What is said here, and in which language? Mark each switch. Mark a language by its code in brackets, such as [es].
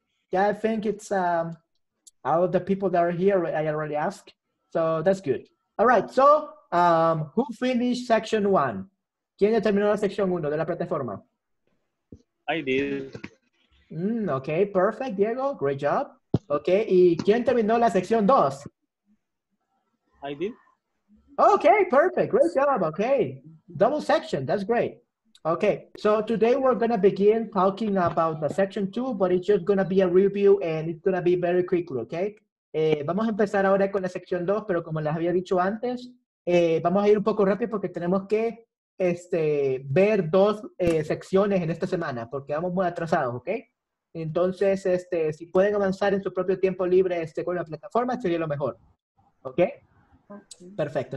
[en] Yeah, I think it's all of the people that are here, I already asked. So that's good. All right, so who finished section one? [es] ¿Quién ya terminó la sección uno de la plataforma? [en] I did. Okay, perfect, [es] Diego. [en] Great job. Okay, [es] ¿y quién terminó la sección dos? [en] I did. Okay, perfect. Great job. Okay, double section. That's great. Okay, so today we're going to begin talking about the section two, but it's just going to be a review and it's going to be very quickly, okay? [es] Vamos a empezar ahora con la sección dos, pero como les había dicho antes, vamos a ir un poco rápido porque tenemos que ver dos secciones en esta semana porque vamos muy atrasados, okay? Entonces, si pueden avanzar en su propio tiempo libre con la plataforma, sería lo mejor, okay? Perfecto.